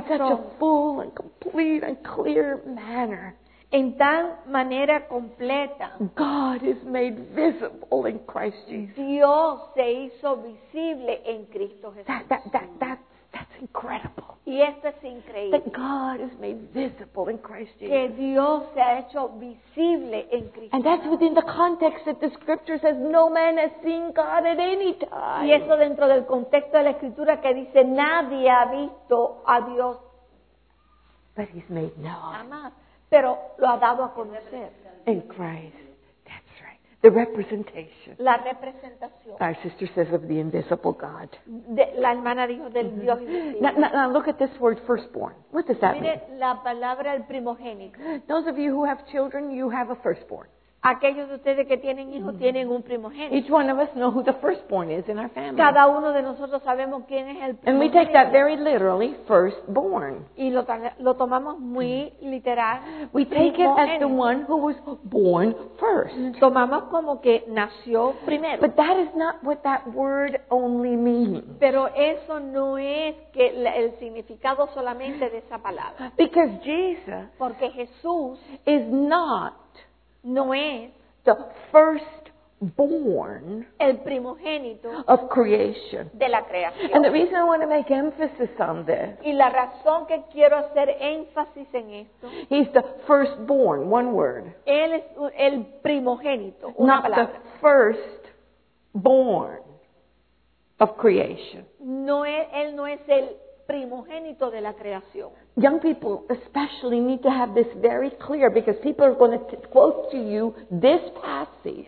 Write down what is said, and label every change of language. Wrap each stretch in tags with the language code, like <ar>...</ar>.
<en>in such a full and complete and clear manner,</en> <es>en tal manera completa,</es> <en>God is made visible in Christ Jesus.</en> <es>Dios se hizo visible en Cristo Jesús.</es> <en>That's incredible.</en> <es>Y esto es increíble.</es> <en>That God is made visible in Christ Jesus.</en> <es>Que Dios se ha hecho visible en Cristo.</es> <en>And that's within the context that the Scripture says no man has seen God at any time.</en> <es>Y eso dentro del contexto de la Escritura que dice nadie ha visto a Dios.</es> <en>But he's made known.</en> <es>Jamás. Pero lo ha dado a conocer.</es> <en>In Christ. That's right. The representation.</en> <es>La representación.</es> <en>Our sister says of the invisible God.</en> <es>La hermana dijo del Dios invisible.</es> <en>Now look at this word, firstborn. What does that</en> <es>mire</es> <en>mean?</en> <es>La palabra el primogénito.</es> <en>Those of you who have children, you have a firstborn.</en> <es>Aquellos de ustedes que tienen hijos tienen un primogénito.</es> <en>Each one of us know who the firstborn is in our family.</en> <es>Cada uno de nosotros sabemos quién es el primogénito.</es> <en>And we take that very literally, firstborn.</en> <es>Y lo tomamos muy literal.</es> <en>We take it as the one who was born first.</en> <es>Tomamos como que nació primero.</es> <en>But that is not what that word only means.</en> <es>Pero eso no es que el significado solamente de esa palabra.</es> <en>Because Jesus,</en> <es>porque Jesús,</es> <en>is not.</en> <es>No es</es> <en>the firstborn,</en> <es>el primogénito</es> <en>of creation,</en> <es>de la creación.</es> <en>And the reason I want to make emphasis on this,</en> <es>y la razón que quiero hacer énfasis en esto,</es> <en>he's the firstborn, one word.</en> <es>Él es el primogénito, una</es> <en>not</en> <es>palabra.</es> <en>The firstborn of creation.</en> <es>No, él no es el primogénito de la creación.</es> <en>Young people especially need to have this very clear because people are going to quote to you this passage.</en>